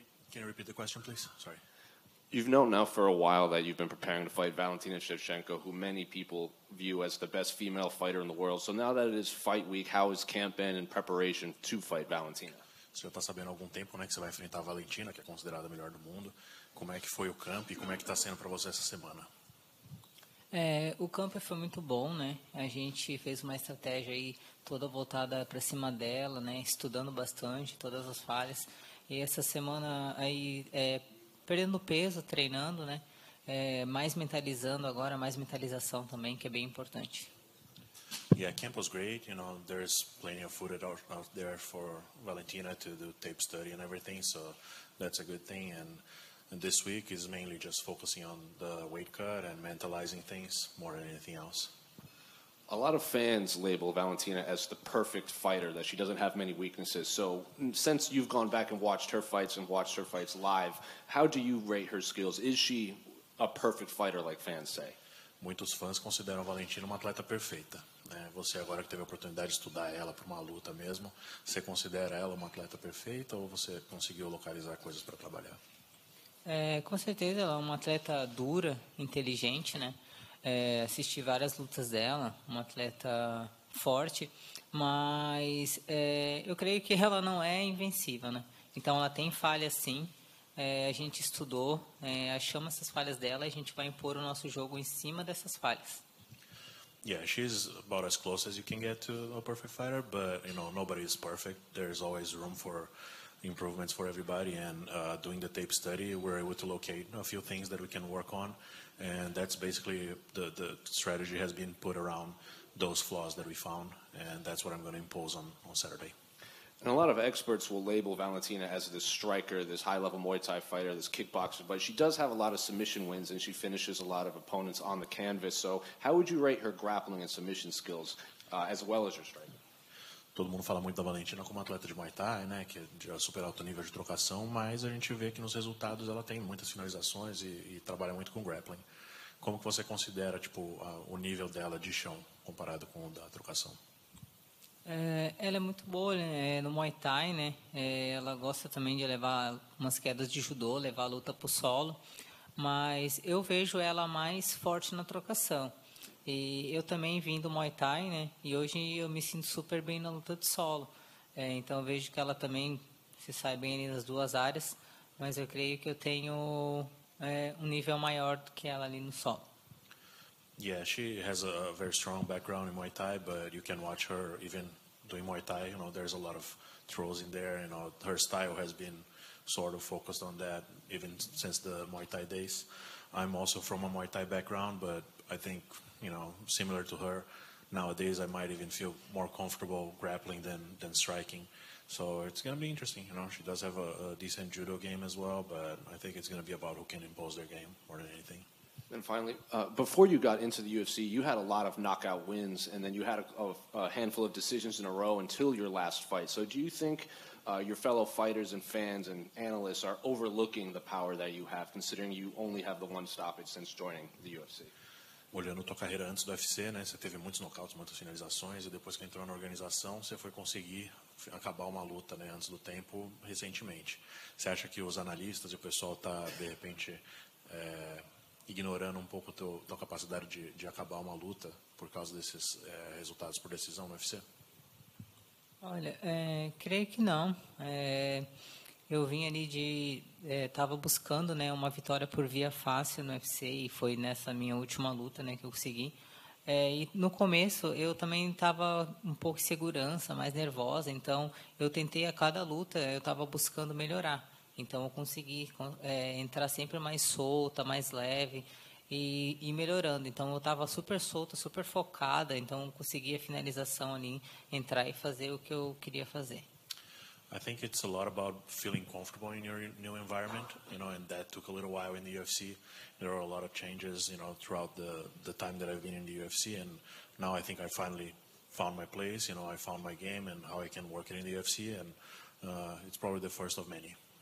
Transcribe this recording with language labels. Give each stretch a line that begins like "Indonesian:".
English: Can you repeat the question, please? Sorry. You've known now for a while that you've been preparing to fight Valentina Shevchenko, who many people view as the best female fighter in the world. So now that it is fight week, how has camp been in preparation to fight Valentina?
Portuguese: Você já está sabendo há algum tempo, né, que você vai enfrentar a Valentina, que é considerada a melhor do mundo. Como é que foi o camp e como é que está sendo para você essa semana? É, o camp foi muito bom, né? A gente fez uma estratégia aí toda voltada para cima dela, né? Estudando bastante todas as falhas. E essa semana aí, perdendo peso, treinando, né? Mais mentalizando agora, mais mentalização também, que é bem importante.
English: Yeah, camp was great. You know, there's plenty of footage out there for Valentina to do tape study and everything. So that's a good thing. And this week is mainly just focusing on the weight cut and mentalizing things more than anything else. A lot of fans label Valentina as the perfect fighter, that she doesn't have many weaknesses. So since you've gone back and watched her fights live, how do you rate her skills? Is she a perfect fighter, like fans say?
Portuguese: Muitos fãs consideram Valentina uma atleta perfeita. Você agora que teve a oportunidade de estudar ela para uma luta mesmo, você considera ela uma atleta perfeita ou você conseguiu localizar coisas para trabalhar? Com certeza ela é uma atleta dura, inteligente, né? Assisti várias lutas dela, uma atleta forte, mas eu creio que ela não é invencível, né? Então ela tem falhas sim, a gente estudou, achamos essas falhas dela e a gente vai impor o nosso jogo em cima dessas falhas.
English: Yeah, she's about as close as you can get to a perfect fighter, but you know, nobody is perfect. There's always room for improvements for everybody, and doing the tape study, we're able to locate a few things that we can work on, and that's basically the strategy has been put around those flaws that we found, and that's what I'm going to impose on Saturday. And a lot of experts will label Valentina as this striker, this high-level Muay Thai fighter, this kickboxer, but she does have a lot of submission wins, and she finishes a lot of opponents on the canvas. So how would you rate her grappling and submission skills as well as her striking?
Portuguese: Todo mundo fala muito da Valentina como atleta de Muay Thai, né, que é de super alto nível de trocação, mas a gente vê que nos resultados ela tem muitas finalizações e trabalha muito com grappling. Como que você considera tipo, o nível dela de chão comparado com o da trocação? Ela é muito boa, né? No Muay Thai, né? Ela gosta também de levar umas quedas de judô, levar a luta para o solo, mas eu vejo ela mais forte na trocação. E eu também vim do Muay Thai, né? E hoje eu me sinto super bem na luta de solo. Então eu vejo que ela também se sai bem ali nas duas áreas, mas eu creio que eu tenho um nível maior do que ela ali no solo.
English: Yeah, she has a very strong background in Muay Thai, but you can watch her even doing Muay Thai, you know, there's a lot of throws in there, you know, her style has been sort of focused on that even since the Muay Thai days. I'm also from a Muay Thai background, but I think, you know, similar to her, nowadays I might even feel more comfortable grappling than striking. So it's going to be interesting, you know. She does have a decent judo game as well, but I think it's going to be about who can impose their game more than anything. And finally, before you got into the UFC, you had a lot of knockout wins, and then you had a handful of decisions in a row until your last fight. So do you think your fellow fighters and fans and analysts are overlooking the power that you have, considering you only have the one stoppage since joining the UFC?
Portuguese: Olhando a tua carreira antes do UFC, né, você teve muitos nocautes, muitas finalizações, e depois que entrou na organização, você foi conseguir acabar uma luta, né, antes do tempo, recentemente. Você acha que os analistas e o pessoal tá, de repente, ignorando um pouco tua capacidade de acabar uma luta por causa desses resultados por decisão no UFC? Olha, creio que não. Eu vim ali de... estava buscando, né, uma vitória por via fácil no UFC e foi nessa minha última luta, né, que eu consegui. E no começo eu também estava um pouco insegurança, mais nervosa. Então eu tentei a cada luta, eu estava buscando melhorar. Então eu consegui entrar sempre mais solta, mais leve e melhorando. Então eu estava super solta, super focada. Então eu consegui a finalização ali, entrar e fazer o que eu queria fazer.
English: I think it's a lot about feeling comfortable in your new environment, you know, and that took a little while in the UFC. There are a lot of changes, you know, throughout the time that I've been in the UFC, and now I think I finally found my place, you know, I found my game and how I can work it in the UFC, and it's probably the first of many.